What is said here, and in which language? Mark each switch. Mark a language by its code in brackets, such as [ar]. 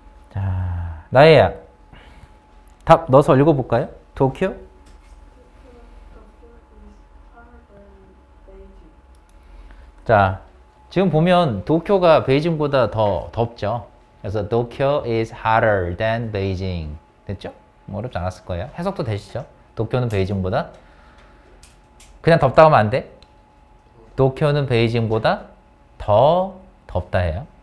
[ko] 자, 나예야. 답 넣어서 읽어볼까요? 도쿄? 자, 지금 보면 도쿄가 베이징보다 더 덥죠? 그래서 [en] 도쿄 is hotter than Beijing. [ko] 됐죠? 어렵지 않았을 거예요. 해석도 되시죠? 도쿄는 베이징보다 그냥 덥다고 하면 안 돼? 도쿄는 베이징보다 더 덥다 해요.